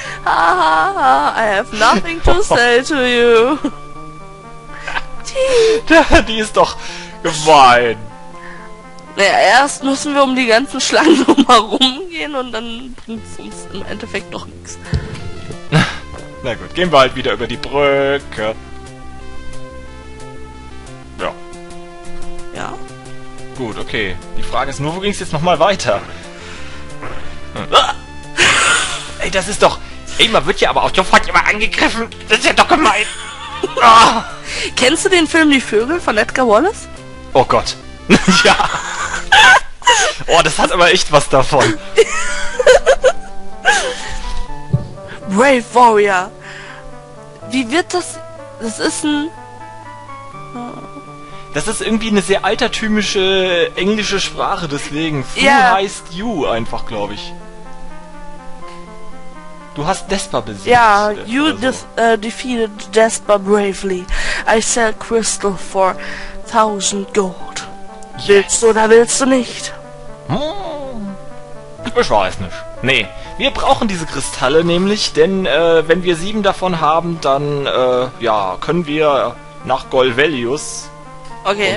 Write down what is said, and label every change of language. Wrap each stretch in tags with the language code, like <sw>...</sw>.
<en>I have nothing to say to you.</en> <de>Die ist doch gemein. Naja, erst müssen wir um die ganzen Schlangen nochmal rumgehen und dann bringt es uns im Endeffekt doch nichts. Na gut, gehen wir halt wieder über die Brücke. Ja. Gut, okay. Die Frage ist nur, wo ging es jetzt nochmal weiter? Hm. Ah! Ey, das ist doch... Ey, man wird ja aber auch sofort immer angegriffen. Das ist ja doch gemein. Ah! Kennst du den Film Die Vögel von Edgar Wallace? Oh Gott. Ja. Oh, das hat aber echt was davon. Brave Warrior. Wie wird das... Das ist ein... Das ist irgendwie eine sehr altertümische englische Sprache, deswegen. Fool heißt you einfach, glaube ich. Du hast Despa besiegt.</de> <en>Ja, yeah, you defeated Despa bravely. I sell crystal for 1000 gold. Yes.</en> <de>Willst du oder willst du nicht? Hm. Ich weiß nicht. Nee, wir brauchen diese Kristalle nämlich, denn wenn wir 7 davon haben, dann ja, können wir nach Golvelius. Okay.</de>